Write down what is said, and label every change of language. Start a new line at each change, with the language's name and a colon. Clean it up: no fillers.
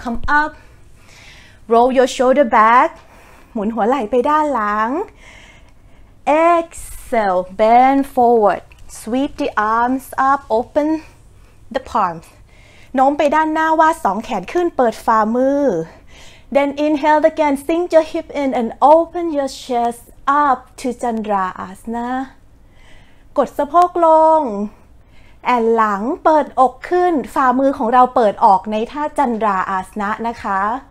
English: Come up. Roll your shoulder back.
Thai: หมุนหัวไหล่ไปด้านหลัง
English: Exhale. Bend forward. Sweep the arms up, open the palms.
Thai: โน้มไปด้านหน้าวาดสองแขนขึ้นเปิดฝ่ามือ
English: Then inhale again, sink your hip in and open your chest up to Chandra Asana.
Thai: กดสะโพกลง แอนหลังเปิดอกขึ้นฝ่ามือของเราเปิดออกในท่าจันดราอาสนะนะคะ